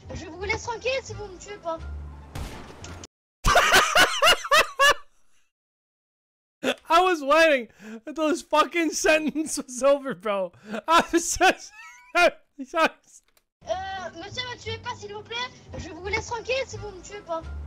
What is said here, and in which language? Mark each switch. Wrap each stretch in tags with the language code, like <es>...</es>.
<fr>Je vous laisse tranquille si vous me tuez pas.</fr> <en>I was waiting until this fucking sentence was over, bro. I was just...</en> <fr>Monsieur, me tuez pas, s'il vous plaît. Je vous laisse tranquille si vous me tuez pas.</fr>